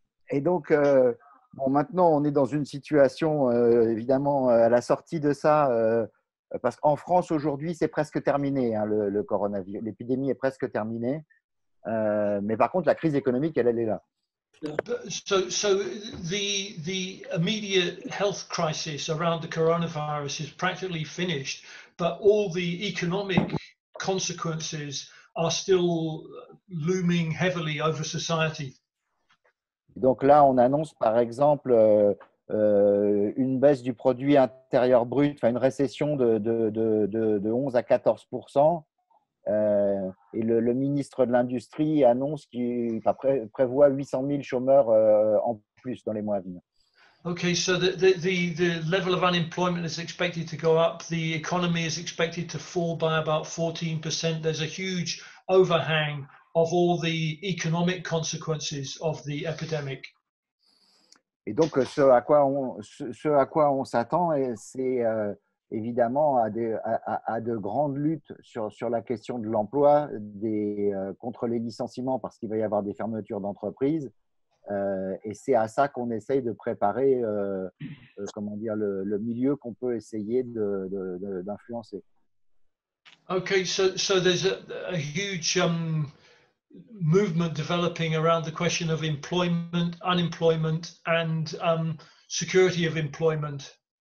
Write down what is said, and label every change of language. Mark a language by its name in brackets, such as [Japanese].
[French] Et donc, bon, maintenant, on est dans une situation, évidemment, à la sortie de ça, parce qu'en France, aujourd'hui, c'est presque terminé, hein, le coronavirus. L'épidémie est presque terminée. Mais par contre, la crise économique, elle est là. [English] So the immediate health crisis around the coronavirus is practically finished, but all the economic consequences are still looming heavily over society. [French] Donc là, on annonce par exemple une baisse du produit intérieur brut, enfin une récession de 11 à 14%. Et le ministre de l'Industrie annonce qu'il prévoit 800 000 chômeurs en plus dans les mois à venir. [English] Okay, so the level of unemployment is expected to go up. The economy is expected to fall by about 14%. There's a huge overhang of all the economic consequences of the epidemic. [French] Et donc, ce à quoi on s'attend, c'est évidemment à de grandes luttes sur la question de l'emploi, contre les licenciements, parce qu'il va y avoir des fermetures d'entreprises. Et c'est à ça qu'on essaye de préparer, comment dire, le milieu qu'on peut essayer d'influencer. [English] Okay, so there's a huge movement developing around the question of employment, unemployment, and security of employment.